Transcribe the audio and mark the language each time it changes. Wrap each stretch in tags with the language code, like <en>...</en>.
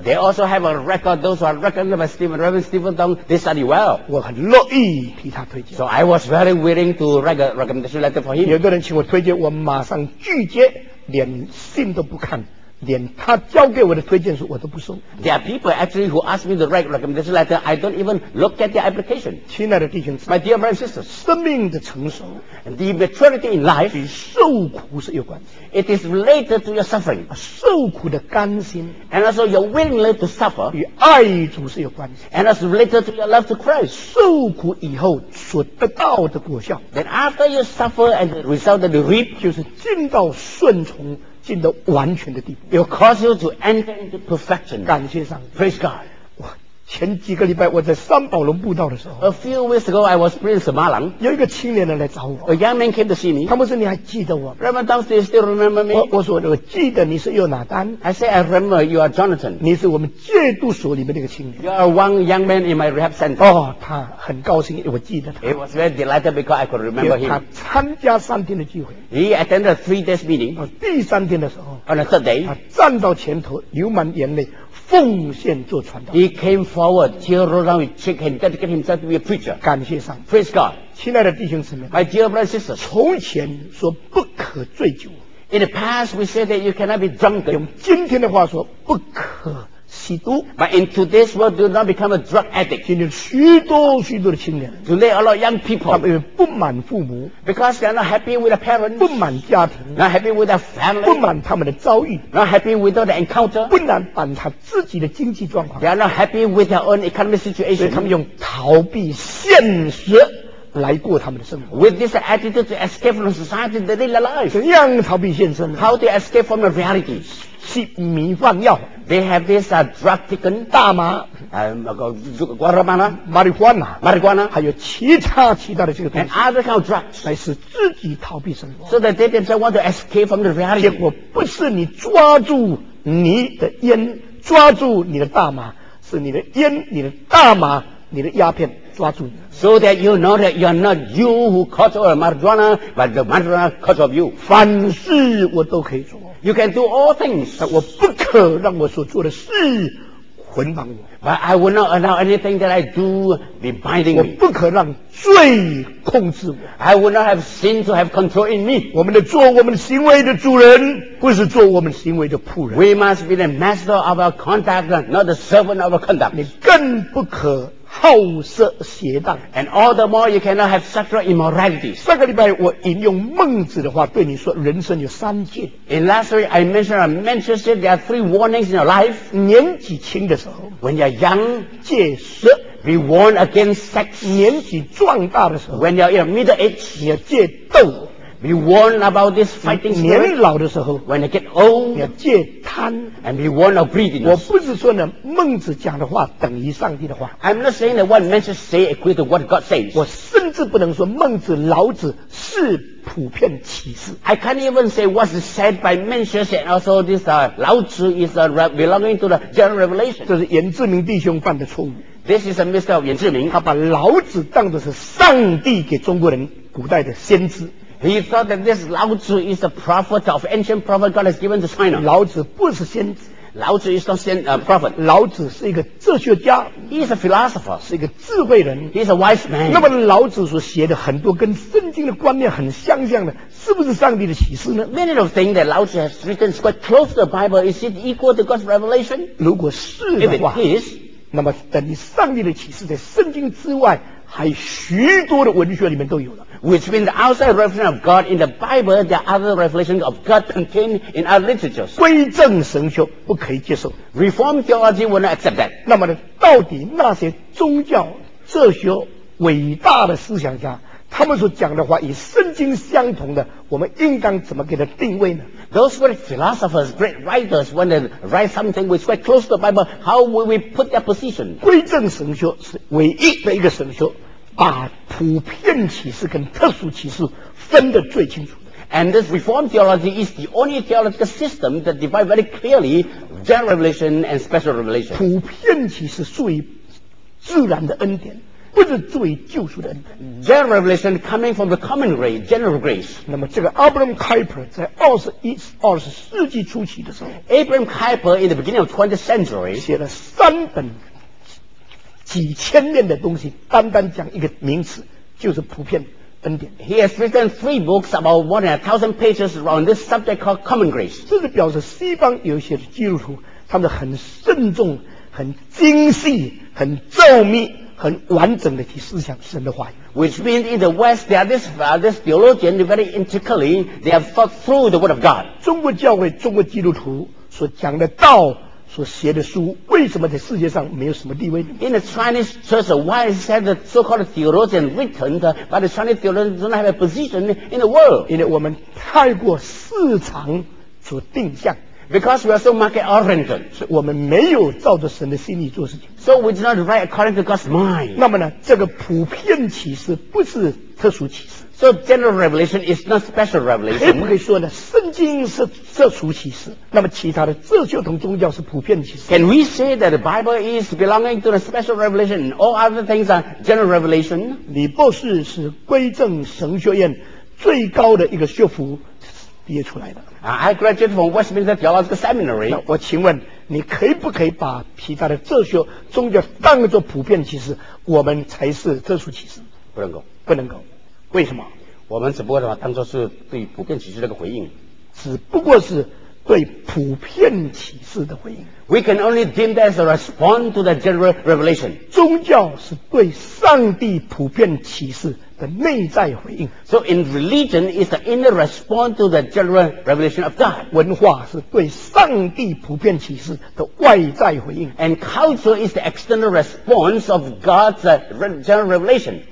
<en>They also have a record, those who are recommended by Reverend Stephen Tom, they study well.</en> <zh>我很乐意替他推荐。</zh> <en>So I was very willing to write a recommendation letter for him.</en> <zh>有个人请我推荐，我马上拒绝，连信都不看，连他交给我的推荐书我都不收。</zh> <en>There are people actually who ask me to write recommendation letter. I don't even look at the application.</en> <zh>亲爱的弟兄姊妹，</zh> <en>my dear brothers and sisters,</en> <zh>生命的成熟</zh> <en>，the maturity in life</en> <zh>与受苦是有关系。</zh> <en>It is related to your suffering.</en> <zh>受苦的甘心</zh> <en>，and also your willingness to suffer</en> <zh>与爱主是有关系。</zh> <en>And it's related to your love to Christ.</en> <zh>受苦以后所得到的果效</zh> <en>，then after you suffer and the result that you reap</en> <zh>就是尽到顺从。进到完全的地步</zh> <en>，will cause you to enter into perfection.</en> <zh>感谢上帝</zh> <en>，praise God.</en> <zh>我前几个礼拜我在三宝龙布道的时候</zh> <en>，a few weeks ago I was praying in Semarang.</en> <zh>有一个青年人来找我</zh> <en>，a young man came to see me.</en> <zh>他们说你还记得我</zh> <en>？Reverend Tom, do you still remember me?</en> <zh>我说我记得你是约拿丹。</zh> <en>I say I remember you are Jonathan.</en> <zh>你是我们戒毒所里面那个青年。</zh> <en>You are one young man in my rehab center.</en> <zh>哦，他很高兴，我记得他。</zh> <en>He was very delighted because I could remember him.</en> <zh>他参加三天的聚会。</zh> <en>He attended a 3 days meeting.</en> <zh>第三天的时候</zh> <en>，on the third day,</en> <zh>他站到前头，流满眼泪。奉献做传道</zh> <en>He came forward tear around his cheek and dedicate himself to be a preacher</en> <zh>感谢上</zh> <en>Praise God</en> <zh>亲爱的弟兄姊妹</zh> <en>My dear brothers and sisters</en> <zh>从前说不可醉酒</zh> <en>In the past we said that you cannot be drunk</en> <zh>用今天的话说不可吸毒</zh> <en>But in today's world do not become a drug addict</en> <zh>今天许多许多的青年</zh> <en>Today a lot of young people</en> <zh>他们因为不满父母</zh> <en>Because they are not happy with their parents</en> <zh>不满家庭</zh> <en>Not happy with their family</en> <zh>不满他们的遭遇</zh> <en>Not happy with their encounter</en> <zh>不满他自己的经济状况</zh> <en>They are not happy with their own economic situation</en> <zh>所以他们用逃避现实来过他们的生活</zh> <en>With this attitude to escape from society they live their lives</en> <zh>怎样逃避现实呢</zh> <en>How to escape from the reality</en> <zh>吸迷幻药</zh> <en>They have this drug taken,</en> <zh>大麻</zh> <en>Guaramana,</en> <zh>Marijuana, 还有其他的这个东西</zh> <en>And other kind of drugs,</en> <zh>来使自己逃避生活</zh> <en>So that they themselves want to escape from the reality.</en> <zh>结果不是你抓住你的烟，抓住你的大麻，是你的烟，你的大麻，你的鸦片抓住你。</zh> <en>So that you know that you're not you who caught all the marijuana, but the marijuana caught of you.</en> <zh>凡事我都可以做。</zh> <en>You can do all things.</en> <zh>我不可让我所做的事捆绑我。</zh> <en>But I will not allow anything that I do be binding me.</en> <zh>我不可让罪控制我。</zh> <en>I will not have sin to have control in me.</en> <zh>我们的做我们行为的主人，不是做我们行为的仆人。</zh> <en>We must be the master of our conduct, not the servant of our conduct.</en> <zh>你更不可好色邪荡。</zh> <en>And all the more you cannot have sexual immorality.</en> <zh>上个礼拜我引用孟子的话对你说人生有三戒。</zh> <en>In last week, I mentioned, there are three warnings in your life.</en> <zh>年纪轻的时候。</zh> <en>When you're young,</en> <zh>戒色。</zh> <en>Be warned against sex.</en> <zh>年纪壮大的时候。</zh> <en>When you're in middle age,</en> <zh>你要戒斗。</zh> <en>Be warned about this fighting spirit.</en> <zh>年老的时候。</zh> <en>When you get old,</en> <zh>你要戒贪。</zh> <en>And be warned of greediness.</en> <zh>我不是说呢，孟子讲的话等于上帝的话。</zh> <en>I'm not saying that what men should say equates to what God says.</en> <zh>我甚至不能说孟子、老子是普遍启示。</zh> <en>I can't even say what's said by men should say, and also this, 老子 is belonging to the general revelation.</en> <zh>这是严志明弟兄犯的错误。</zh> <en>This is a mistake of 严志明。</en> <zh>他把老子当作是上帝给中国人古代的先知。</zh> <en>He thought that this Lao Tzu is the prophet of ancient prophet God has given to China.</en> <zh>老子不是先知。</zh> <en>老子 is not a prophet.</en> <zh>老子是一个哲学家。</zh> <en>He's a philosopher.</en> <zh>是一个智慧人。</zh> <en>He's a wise man.</en> <zh>那么老子所写的很多跟圣经的观念很相像的，是不是上帝的启示呢？</zh> <en>Many of the things that 老子 has written is quite close to the Bible. Is it equal to God's revelation?</en> <zh>如果是的话，</zh> <en>If it is,</en> <zh>那么等于上帝的启示在圣经之外还许多的文学里面都有了。</zh> <en>Which means the outside revelation of God in the Bible, there are other revelations of God contained in our literatures.</en> <zh>归正神学不可以接受。</zh> <en>Reformed theology will not accept that.</en> <zh>那么呢，到底那些宗教、哲学、伟大的思想家，他们所讲的话与圣经相同的，我们应当怎么给它定位呢？</zh> <en>Those great philosophers, great writers, when they write something which is quite close to the Bible, how will we put their position?</en> <zh>归正神学是唯一的一个神学，把普遍启示跟特殊启示分得最清楚。</zh> <en>And this Reformed theology is the only theological system that divides very clearly general revelation and special revelation.</en> <zh>普遍启示属于自然的恩典，不是作为救赎的恩典。</zh> <en>General revelation coming from the common grace, general grace.</en> <zh>那么这个 Abraham Kuyper 在二十世纪初期的时候，</zh> <en>Abraham Kuyper in the beginning of 20th century</en> <zh>写了三本几千面的东西，单单讲一个名词就是普遍恩典。</zh> <en>He has written three books about 1,000 pages on this subject called common grace.</en> <zh>这是表示西方有些基督徒他们很慎重、很精细、很周密、很完整的去思想神的话语。</zh> <en>Which means in the West there are this theologian very intricately they have thought through the word of God.</en> <zh>中国教会、中国基督徒所讲的道、所写的书，为什么在世界上没有什么地位呢？</zh> <en>In the Chinese church, why is that the so-called theologian written by the Chinese theologian don't have a position in the world?</en> <zh>因为我们太过市场所定向。</zh> <en>Because we are so market oriented.</en> <zh>所以我们没有照着神的心意做事情。</zh> <en>So we do not write according to God's mind.</en> <zh>那么呢，这个普遍启示不是特殊启示。</zh> <en>So general revelation is not special revelation.</en> <zh>可不可以说呢，圣经是特殊启示，那么其他的哲学同宗教是普遍启示。</zh> <en>Can we say that the Bible is belonging to the special revelation and all other things are general revelation?</en> <zh>李博士是归正神学院最高的一个学府毕业出来的。</zh> <en>I graduated from Westminster Theological Seminary.</en> <zh>我请问你可以不可以把其他的哲学宗教当作普遍启示，我们才是特殊启示？不能够。不能够。为什么？我们只不过的话当作是对普遍启示的一个回应。只不过是对普遍启示的回应。</zh> <en>We can only deem that as a response to the general revelation.</en> <zh>宗教是对上帝普遍启示的内在回应。</zh> <en>So in religion is the inner response to the general revelation of God.</en> <zh>文化是对上帝普遍启示的外在回应。</zh> <en>And culture is the external response of God's general revelation.</en>